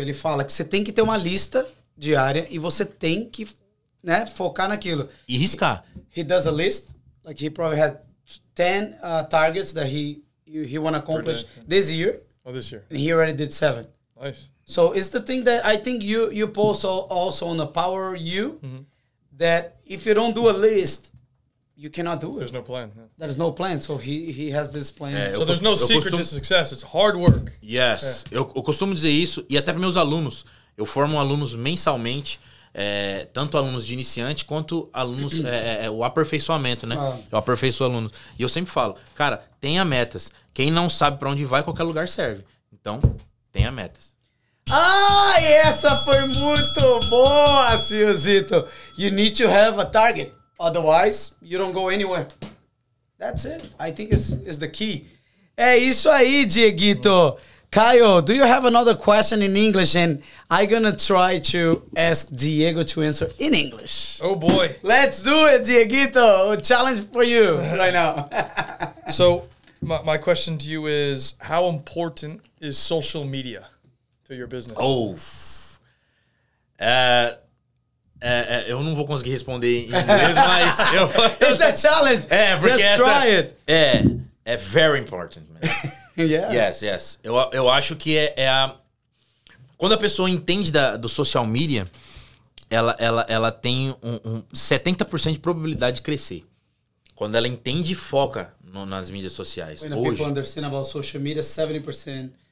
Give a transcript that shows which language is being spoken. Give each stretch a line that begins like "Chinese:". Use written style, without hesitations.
Portuguese: Ele fala que você tem que ter uma lista diária e você tem que, né, focar naquilo. E riscar.
English: He does a list. Like, he probably had 10 targets that he want to accomplish this year. Oh, this year. And he already did 7. Nice. So it's the thing that I think you post also on the Power You, mm-hmm. that if you don't do a list, you cannot do it. There's no plan. Yeah. There's no plan. So he has this plan. So there's no secret to success. It's hard work. Yes.
Portuguese: Eu costumo dizer isso, e até para meus alunos. Eu formo alunos mensalmente, tanto alunos de iniciante quanto alunos, o aperfeiçoamento, né? Ah. Eu aperfeiçoo alunos. E eu sempre falo, cara, tenha metas. Quem não sabe para onde vai, qualquer lugar serve. Então, tenha metas. Ah, essa foi muito boa, Ciozito.
English: You need to have a target. Otherwise, you don't go anywhere. That's it. I think it's the key.
Portuguese: É isso aí, Dieguito.
English: Caio, do you have another question in English? And I'm going to try to ask Diego to answer in English. Oh, boy. Let's do it, Dieguito. A challenge for you right now. So my question to you is, how important is social media to your business? Oh.
Portuguese: Eu não vou conseguir responder em inglês, mas...
English: It's a challenge. Just try it. É very important, man. Yeah.
Portuguese: Yes, yes. Eu acho que é a... Quando a pessoa entende do social media, ela tem um 70% de probabilidade de crescer. Quando ela entende e foca nas mídias sociais.
English: When
Portuguese: hoje,
English: people understand about social media, 70%...